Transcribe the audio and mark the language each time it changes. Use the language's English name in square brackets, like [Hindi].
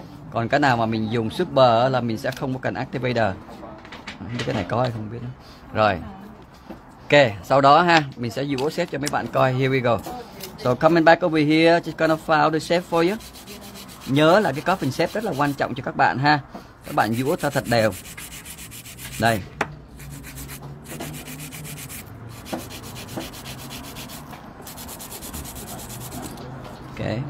[Vietnamese] Còn cái nào mà mình dùng super là mình sẽ không có cần activator. Cái này có hay không biết đó. Rồi. Ok. sau đó ha, mình sẽ dùng set cho mấy bạn coi. [English] Here we go. So coming back over here, just gonna file the set for you. [Vietnamese] Nhớ là cái coffin set rất là quan trọng cho các bạn ha. Các bạn dũa cho thật đều. Đây. Ok.